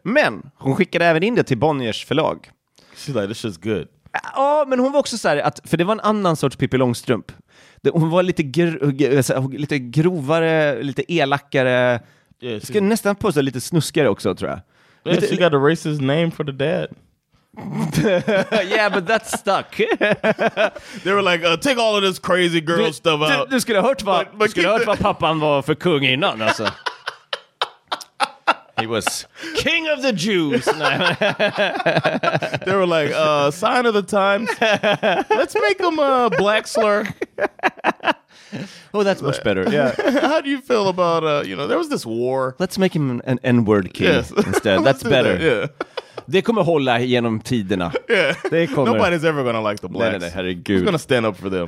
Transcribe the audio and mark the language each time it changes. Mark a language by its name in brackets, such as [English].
[Swedish] Men hon skickade även in det till Bonniers förlag. [English] She's like, this is good. [Swedish] Ja, men hon var också så här att, för det var en annan sorts Pippi Långstrump. Hon var lite grovare, lite elakare. Yeah, ska nästan påstå lite snuskigare också, tror jag. [English] Yeah, she got a racist name for the dad. Yeah, but that stuck. They were like, take all of this crazy girl stuff out. [Swedish] Du skulle ha hört vad pappan var för kung innan, alltså. [English] He was king of the Jews. They were like, sign of the times. Let's make him a black slur. Oh, that's much better. Yeah. How do you feel about, you know, there was this war. Let's make him an N-word king instead. That's better. Yeah. [Swedish] Det kommer hålla genom tiderna. [English] Yeah. [Swedish] Det kommer. [English] Nobody's ever going to like the blacks. [Swedish] Nej, herregud. [English] Who's going to stand up for them?